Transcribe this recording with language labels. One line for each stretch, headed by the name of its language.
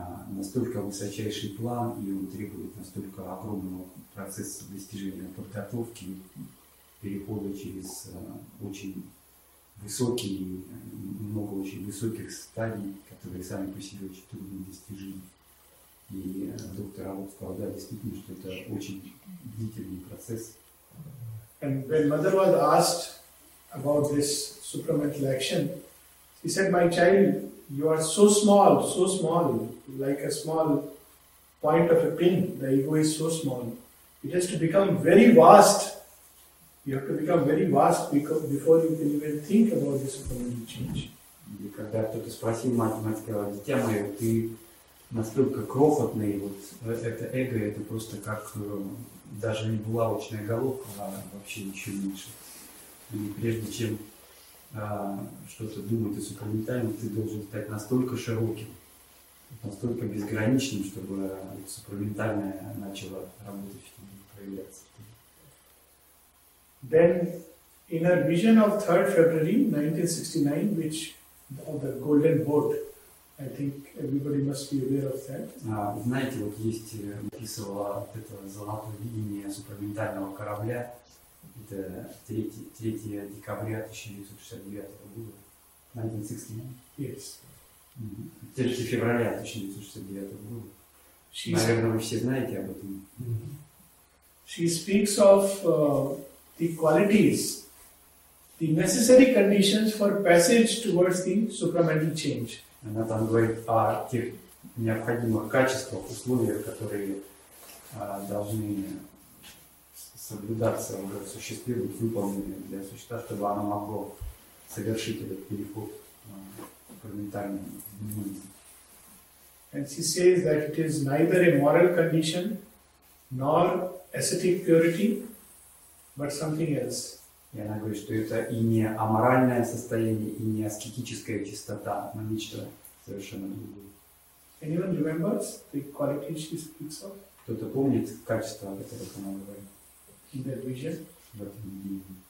Russian: настолько высочайший план, и он требует настолько огромного процесса достижения подготовки, перехода через очень высокие, много очень высоких стадий, которые сами по себе очень трудно достижимы. И доктор Абу сказал, да, действительно, что это очень длительный процесс.
English: And when mother was asked about this supramental action, she said, my child, you are so small, like a small point of a pin, the ego is so small. It has to become very vast. You have to become very vast before you can even think about this supramental change.
Russian: И когда кто-то спросил мать, мать сказала, дитя мое, ты настолько крохотный, вот это эго, это просто как даже не булавочная головка, а вообще ничего меньше. И прежде чем что-то думать о супраментальном, ты должен стать настолько широким, настолько безграничным, чтобы супраментальное начало работать, чтобы проявляться.
English: Then, in a vision of 3rd February 1969, which of the golden boat, I think everybody must be aware of that.
Russian: Знаете, вот есть описывало это золотое видение супраментального корабля. Это 3 февраля 1969 года. Наверное, вы все знаете об этом.
English: She speaks of the qualities, the necessary conditions for passage towards the supramental change.
Russian: Она там говорит о тех необходимых качествах, условиях, которые должны соблюдаться, уже осуществлены, выполнены для существа, чтобы она могла совершить этот переход к суперментальному изменению.
English: And she says that it is neither a moral condition nor ascetic purity, but something else.
Russian: И она говорит, что это и не аморальное состояние, и не аскетическая чистота, но нечто совершенно другое.
English: Anyone remembers the quality she speaks of?
Russian: Кто-то помнит качество, о которых она говорит?
English: In that vision?
Russian: В этом видении.